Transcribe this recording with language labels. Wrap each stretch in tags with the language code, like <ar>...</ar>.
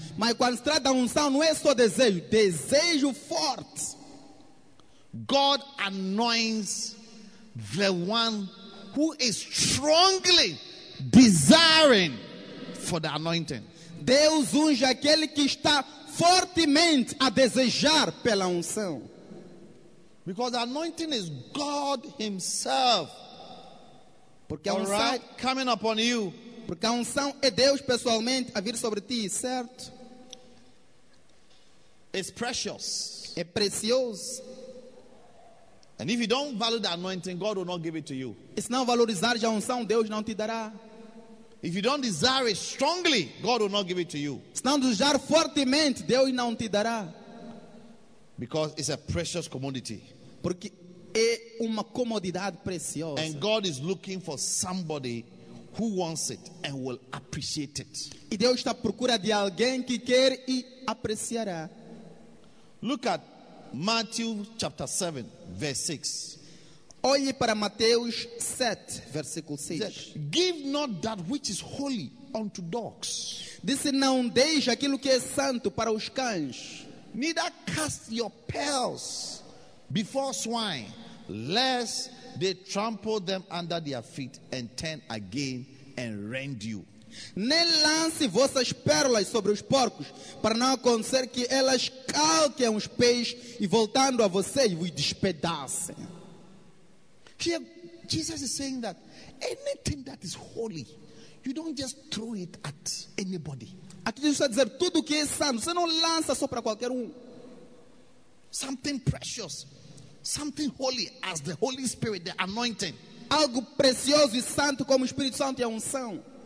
<pt>Mas quando se trata da unção, não é só desejo, desejo forte.</pt> <en>God anoints the one who is strongly desiring for the anointing.</en> <pt>Deus unge aquele que está fortemente a desejar pela unção.</pt> <en>Because anointing is God himself.</en> <pt>Porque a unção,</pt> <en>right, coming upon you.</en> <pt>Porque a unção é Deus pessoalmente a vir sobre ti, certo?</pt> <en>It's precious.</en> <pt>É precioso.</pt> <en>And if you don't value the anointing, God will not give it to you.</en> <pt>E se não valorizar a unção, Deus não te dará.</pt> <en>If you don't desire it strongly, God will not give it to you.</en> <pt>Se não desejar fortemente, Deus não te dará.</pt> <en>Because it's a precious commodity.</en> <pt>Porque é uma comodidade preciosa.</pt> <en>And God is looking for somebody who wants it and will appreciate it.</en> <pt>E Deus está à procura de alguém que quer e apreciará.</pt> <en>Look at Matthew chapter 7, verse 6.</en> <pt>Olhe para Mateus 7, versículo 6.</pt> <en>Give not that which is holy unto dogs.</en> <pt>Disse, não deixe aquilo que é santo para os cães.</pt> <en>Neither cast your pearls before swine, lest they trample them under their feet and turn again and rend you.</en> <pt>Nem lance vossas pérolas sobre os porcos, para não acontecer que elas calquem os peixes e voltando a vocês vos despedacem.</pt> <en>Here, Jesus is saying that anything that is holy, you don't just throw it at anybody.</en> <pt>Aqui Jesus está dizendo, tudo que é santo, você não lança só para qualquer</pt> <en>Something precious, something holy as the Holy Spirit, the anointing.</en> <pt>Algo precioso e santo como o Espírito Santo e a unção.</pt>